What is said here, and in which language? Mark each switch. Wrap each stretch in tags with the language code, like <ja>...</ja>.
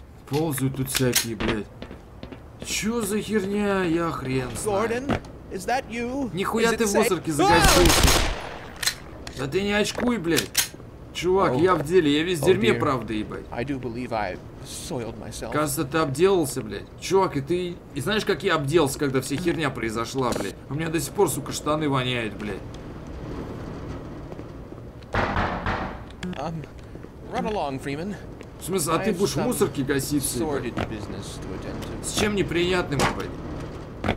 <ru>Ползают тут всякие, блядь. Чё за херня, я хрен знаю.</ru> <en>Gordon, is that you?</en> <ru>Нихуя ты в мусорке загасился. Да ты не очкуй, блядь. Чувак, я в деле, я весь в дерьме, правда, ебать.</ru> <en>I do believe I soiled myself.</en> <ru>Кажется, ты обделался, блядь. Чувак, и ты... И знаешь, как я обделался, когда вся херня произошла, блядь? У меня до сих пор, сука, штаны воняют, блядь.</ru> <en>Run along, Freeman.</en> <ru>В смысле, а ты будешь в мусорке гасить все? С чем неприятным, блядь?</ru>